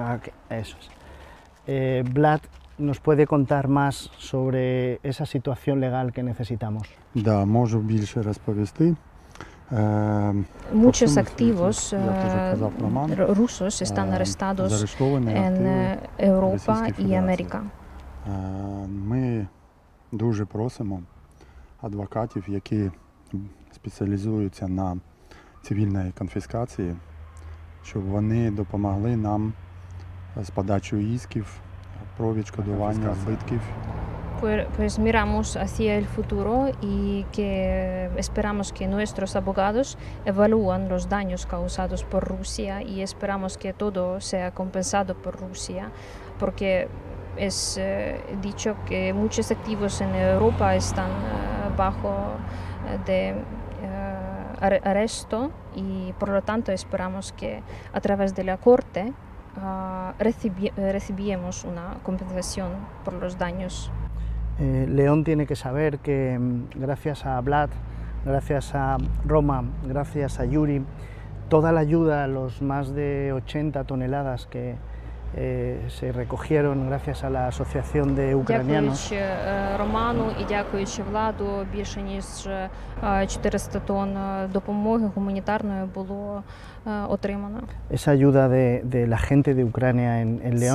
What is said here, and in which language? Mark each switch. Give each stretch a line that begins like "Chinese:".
Spanish: Okay, eso es. Vlad. Nos puede contar más sobre esa situación legal que necesitamos.
Ukrainian: Да, можу більше розповісти.
Spanish: Muchos activos rusos están arrestados en Europa y América.
Ukrainian: Ми дуже просимо адвокатів, які спеціалізуються на цивільній конфіскації, щоб вони допомогли нам з подачею ісків. Про відшкодування збитків.
Spanish: Pues miramos hacia el futuro y que esperamos que nuestros abogados evalúan los daños causados por Rusia y esperamos que todo sea compensado por Rusia porque es dicho que muchos activos en Europa están bajo de arresto y por lo tanto esperamos que a través de la corte recibiremos una compensación por los daños. León tiene que saber que gracias a Vlad, gracias a Roma, gracias a Yuri, toda la ayuda, los más de 80 toneladas que se recogieron gracias a la Asociación de Ucranianos.
Ukrainian: Дякую Роману і дякуючи Владу, більше ніж 400 тонн допомоги гуманітарної було отримано.
Spanish: Esa ayuda de la gente de Ucrania en León.